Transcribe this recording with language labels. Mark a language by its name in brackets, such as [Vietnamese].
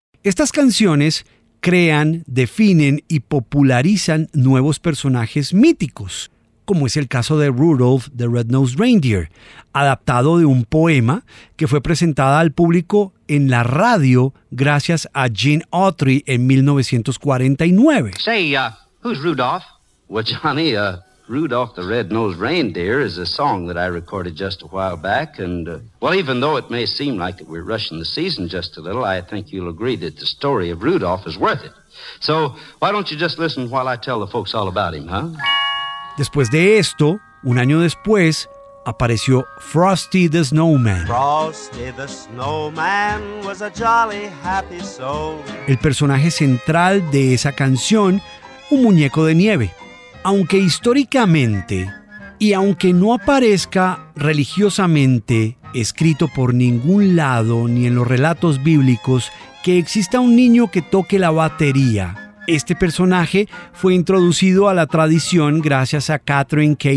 [Spanish] Estas canciones crean, definen y popularizan nuevos personajes míticos, como es el caso de Rudolph the Red-Nosed Reindeer, adaptado de un poema que fue presentada al público en la radio gracias a Gene Autry en 1949. [English] Say, who's Rudolph? Well, Johnny, Rudolph the Red-Nosed Reindeer is a song that I recorded just a while back, and, well, even though it may seem like that we're rushing the season just a little, I think you'll agree that the story of Rudolph is worth it. So, why don't you just listen while I tell the folks all about him, huh? [Spanish] Después de esto, un año después, apareció Frosty the Snowman. [English] Frosty the Snowman was a jolly, happy soul. [Spanish] El personaje central de esa canción, un muñeco de nieve. Aunque históricamente, y aunque no aparezca religiosamente escrito por ningún lado ni en los relatos bíblicos que exista un niño que toque la batería, este personaje fue introducido a la tradición gracias a Catherine K.